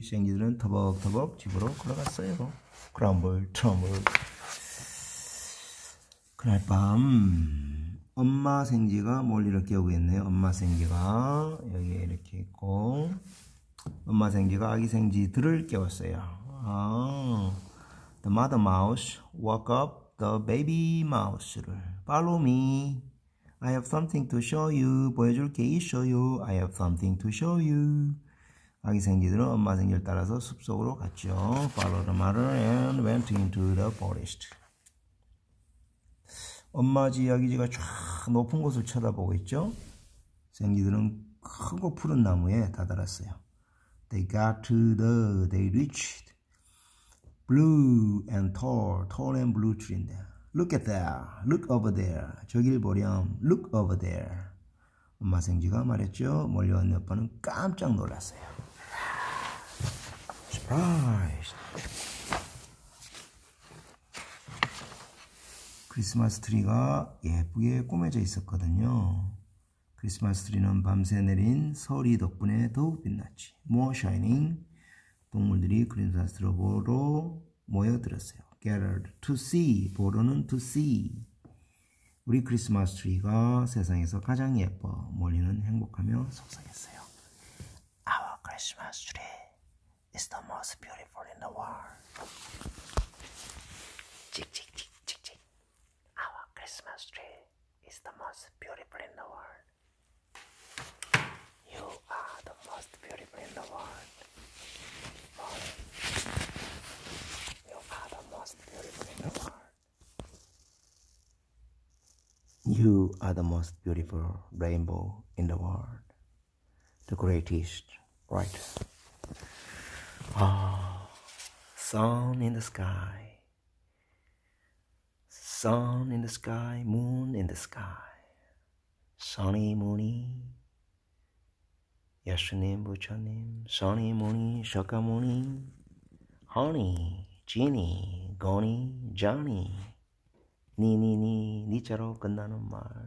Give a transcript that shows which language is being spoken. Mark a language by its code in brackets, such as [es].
[ko] 생쥐들은 터벅터벅 집으로 걸어갔어요. 크럼블. 그날 밤 엄마 생쥐가 몰리를 깨우고 있네요. 엄마 생쥐가 여기에 이렇게 있고 엄마 생쥐가 아기 생쥐들을 깨웠어요. [en] 아, the mother mouse woke up the baby mouse를. Follow me. I have something to show you. [ko] 보여줄 게 있어요. [en] I have something to show you. [ko] 아기 생쥐들은 엄마 생쥐를 따라서 숲속으로 갔죠. [en] Followed the mother and went into the forest. [ko] 엄마지 아기지가 쫙 높은 곳을 쳐다보고 있죠. 생쥐들은 크고 푸른 나무에 다다랐어요. [en] They got to the, they reached blue and tall, tall and blue tree인데. Look at that. Look over there. [ko] 저길 보렴. [en] Look over there. [ko] 엄마 생쥐가 말했죠. 멀리 왔는 오빠는 깜짝 놀랐어요. [en] Surprise. [ko] 크리스마스 트리가 예쁘게 꾸며져 있었거든요. 크리스마스 트리는 밤새 내린 서리 덕분에 더욱 빛났지. [en] More shining. [ko] 동물들이 크리스마스 트리 보러 모여들었어요. [en] Gathered to see. [ko] 보러는 [en] to see. [ko] 우리 크리스마스 트리가 세상에서 가장 예뻐. 몰리는 행복하며 속삭였어요. [en] Our Christmas tree is the most beautiful in the world. 찍찍찍찍찍. Our Christmas tree is the most beautiful in the world. You are the most beautiful in the world. You are the most beautiful in the world. You are the most beautiful rainbow in the world. The greatest, right? Ah, sun in the sky. Sun in the sky, moon in the sky. Sunny, moony. [ko] 예수님, 부처님, 선이, 모니, 석가모니, 허니, 지니, 거니, 자니, 니니니, 니자로 끝나는 말.